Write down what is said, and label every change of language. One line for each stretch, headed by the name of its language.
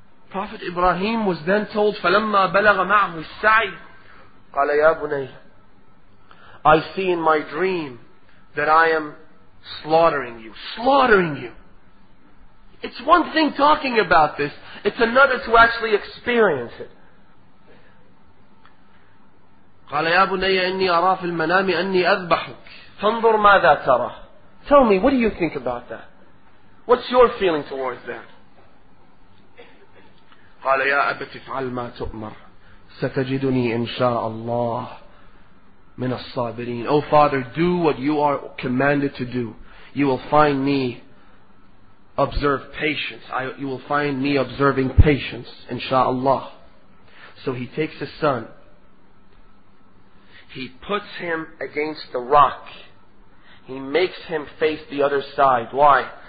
English: Prophet Ibrahim was then told,
Arabic: فَلَمَّا بَلَغَ مَعْهُ السَّعِي قَالَ يَا بُنَيْ
English: I see in my dream that I am slaughtering you. Slaughtering you. It's one thing talking about this. It's another to actually experience it.
Arabic: قَالَ يَا بُنَيَّ إِنِّي أَرَى فِي الْمَنَامِ أَنِّي أَذْبَحُكَ فَانْظُرْ مَاذَا تَرَى.
English: Tell me, what do you think about that? What's your feeling towards that?
Arabic: قال يا أبتي افعل ما تؤمر ستجدني إن شاء الله من الصابرين.
English: Oh father, do what you are commanded to do. You will find me observe patience. You will find me observing patience, inshallah. So he takes his son. He puts him against the rock. He makes him face the other side. Why?